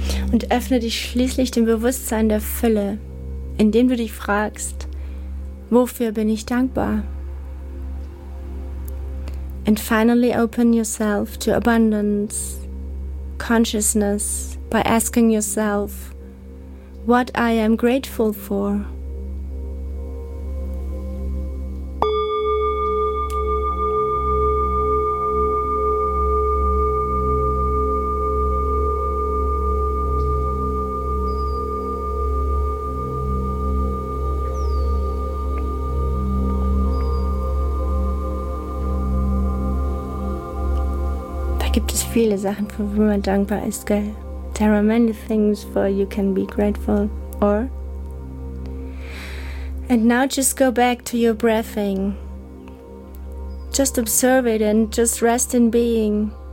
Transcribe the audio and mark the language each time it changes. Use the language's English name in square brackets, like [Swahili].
[German] Und öffne dich schließlich dem Bewusstsein der Fülle, indem du dich fragst, wofür bin ich dankbar? [English] And finally open yourself to abundance, consciousness, by asking yourself, what I am grateful for. [German] Viele Sachen, für die man dankbar ist, gell? [English] There are many things for you can be grateful for. And now just go back to your breathing. Just observe it and just rest in being.